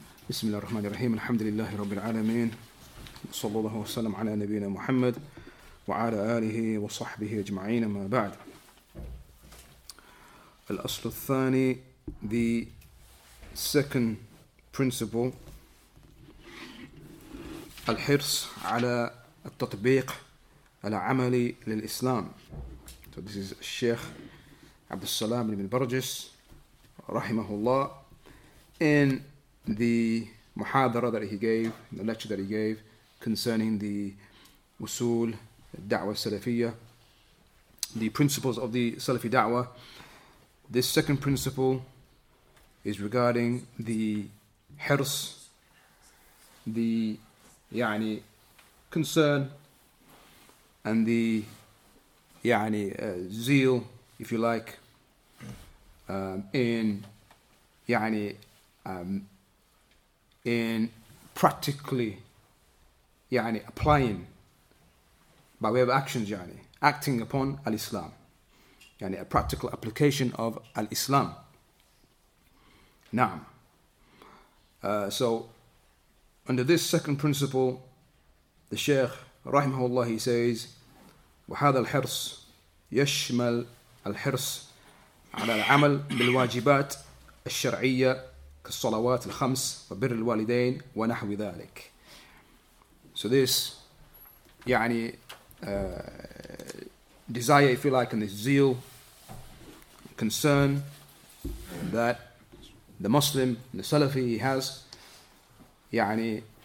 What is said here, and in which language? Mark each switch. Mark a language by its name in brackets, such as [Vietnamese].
[Arabic] بسم الله الرحمن الرحيم. الحمد لله رب العالمين، صلى الله وسلم على نبينا محمد وعلى آله وصحبه أجمعين، ما بعد. الأصل الثاني، [English] the second principle، [Arabic] الحرص على التطبيق العملي للإسلام. [English] So this is Sheikh Abdul Salam ibn Burgess, rahimahullah, in the muhadara that he gave, in the lecture that he gave concerning the usul da'wah salafiyya, the principles of the Salafi da'wah. This second principle is regarding the hirs, the يعني concern and the يعني zeal, if you like, in practically يعني applying by way of actions يعني acting upon al-Islam, يعني a practical application of al-Islam. Naam. So under this second principle, the Shaykh rahimahullah, he says, [Arabic] وهذا الحرص يشمل الحرص على العمل بالواجبات الشرعية كالصلوات الخمس وبر الوالدين ونحو ذلك. [English] So this يعني desire, if you like, and this zeal, concern that the Muslim, the Salafi, he has, يعني